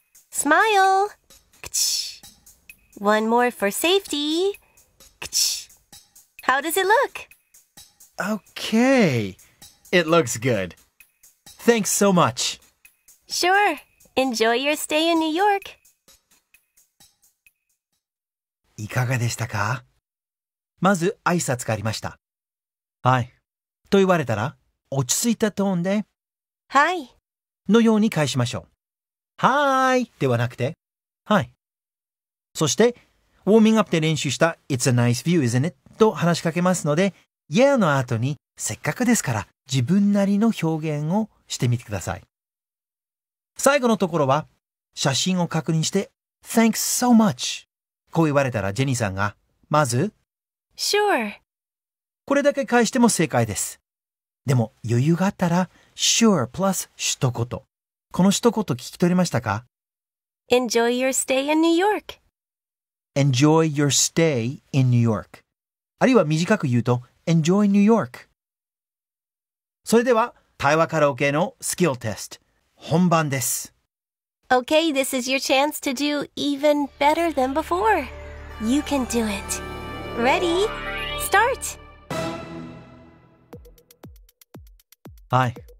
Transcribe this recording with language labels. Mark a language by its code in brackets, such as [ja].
[en] Smile. One more for safety. How does it look? Okay. It looks good. Thanks so much. Sure. Enjoy your stay in New York. [ja] いかがでしたか？まず挨拶がありました。はい。と言われたら、落ち着いたトーンで、はい。のように返しましょう。はーいではなくて、はい。そして、ウォーミングアップで練習した [en] It's a nice view, isn't it? [ja] と話しかけますので、Yeah の後にせっかくですから自分なりの表現をしてみてください。最後のところは、写真を確認して [en] Thanks so much! [ja] こう言われたらジェニーさんが、まず [en] Sure! [ja] これだけ返しても正解です。でも余裕があったら [en] Sure plus [ja] 一言。この一言聞き取りましたか？ [en] Enjoy your stay in New York! Enjoy your stay in New York. [ja] あるいは短く言うと [en] Enjoy New York. [ja] それでは対話カラオケのスキルテスト本番です。 [en] Okay, this is your chance to do even better than before. You can do it. Ready? Start! Hi.